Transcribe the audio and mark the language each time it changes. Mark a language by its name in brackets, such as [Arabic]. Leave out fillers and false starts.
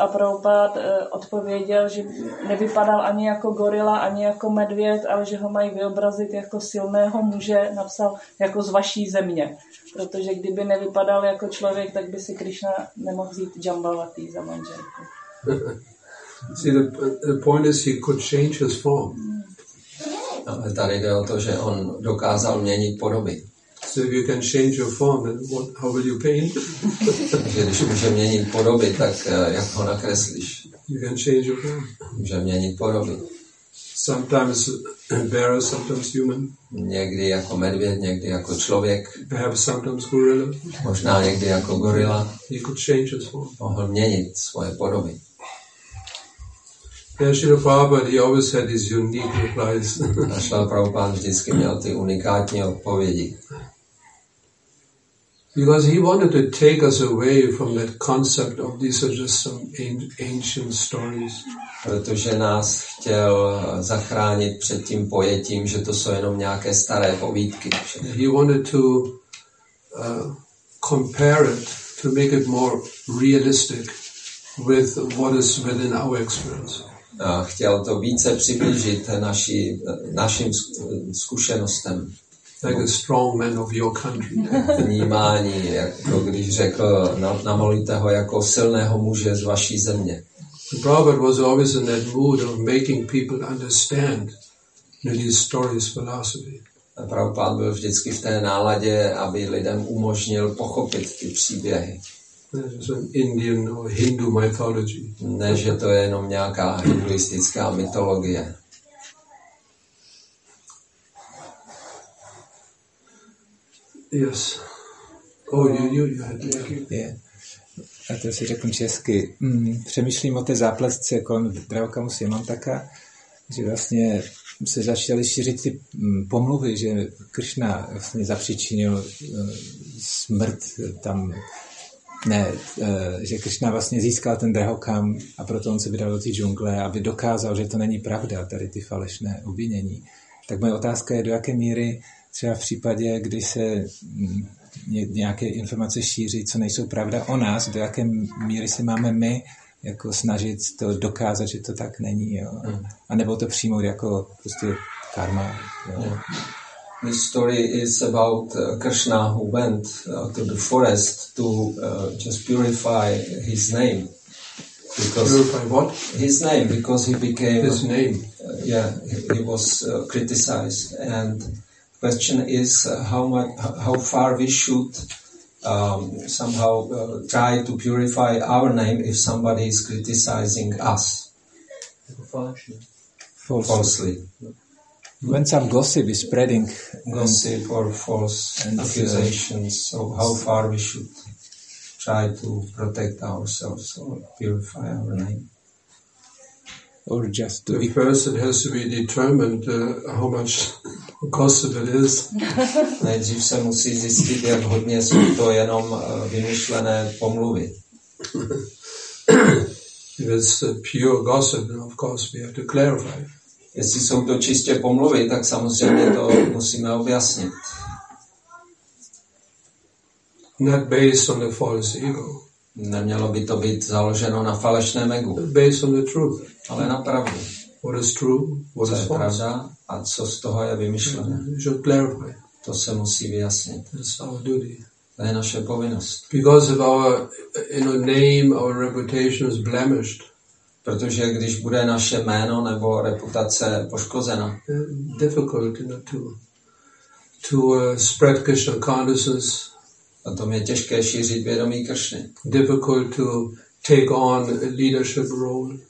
[Czech] A Prabhupád odpověděl, že nevypadal ani jako gorila, ani jako medvěd, ale že ho mají vyobrazit jako silného muže, napsal jako z vaší země. Protože kdyby nevypadal jako člověk, tak by si Krishna nemohl vzít Jambavati za manželku. [English] See, the point is he could change his form. [Czech] Ale tady jde o to, že on dokázal měnit podoby. [English] So if you can change your form, then what, how will you paint? [Czech] Takže když může měnit podoby, tak jak ho nakreslíš? [English] You can change your form. [Czech] Může měnit podoby. [English] Sometimes bear, sometimes human. [Czech] Někdy jako medvěd, někdy jako člověk. [English] Perhaps sometimes gorilla. [Czech] Možná někdy jako gorila. [English] He could change his form. [Czech] Mohl měnit svoje podoby. [English] Yeah, Srila Prabhupada, he always had his unique replies. [Czech] A Srila Prabhupada vždycky měl ty unikátní odpovědi. [English] Because he wanted to take us away from that concept of these are just some ancient stories. [Czech] Protože nás chtěl zachránit před tím pojetím, že to jsou jenom nějaké staré povídky. [English] He wanted to compare it, to make it more realistic with what is within our experience. [Czech] A chtěl to více přiblížit našim zkušenostem. [English] Like a strong man of your country. [Czech] Vnímání, jako když řekl, namolíte ho jako silného muže z vaší země. [English] Prabhupada was always in that mood of making people understand that his stories philosophy. [Czech] A Prabhupada byl vždycky v té náladě, aby lidem umožnil pochopit ty příběhy. [English] Indian or Hindu mythology. [Czech] Ne, že to je jenom nějaká hinduistická mytologie. [English] Yes. Oh, you had to. [Czech] A to si řeknu česky. Přemýšlím o té záplesce kolem Draukamu Simantaka, že vlastně se začaly šířit ty pomluvy, že Krishna vlastně zapříčinil smrt tam. Ne, že Krishna vlastně získal ten drahokam a proto on se vydal do té džungle, aby dokázal, že to není pravda, tady ty falešné obvinění. Tak moje otázka je, do jaké míry třeba v případě, kdy se nějaké informace šíří, co nejsou pravda o nás, do jaké míry se máme my jako snažit to dokázat, že to tak není, jo? A nebo to přijmout jako prostě karma, jo? [English] This story is about Krishna who went to the forest to just purify his name. Because purify what? His name, because he became... His name. He was criticized. And question is how far we should somehow try to purify our name if somebody is criticizing us. Falsely. When some gossip is spreading, gossip or false accusations, so how far we should try to protect ourselves or purify our name? Or just the person has to be determined how much gossip it is. [Czech] Nejdřív se musí zjistit, jak hodně jsou to jenom vymyšlené pomluvy. [English] If it's pure gossip, then of course we have to clarify. [Czech] Jestli jsou to čistě pomluvy, tak samozřejmě to musíme objasnit. [English] Not based on the false ego. [Czech] Nemělo by to být založeno na falešném egu. [English] Based on the truth. [Czech] Ale na pravdu. [English] What is true? What is false? [Czech] A co z toho je vymyšlené? [English] You should clarify. [Czech] To se musí vyjasnit. [English] That's our duty. [Czech] To je naše povinnost. [English] Because of our, you know, name, our reputation is blemished. [Czech] Protože když bude naše jméno nebo reputace poškozena. [English] Difficult, you know, to spread Krishna consciousness. [Czech] A tom je těžké šířit vědomí Kršny. [English] Difficult to take on a leadership role.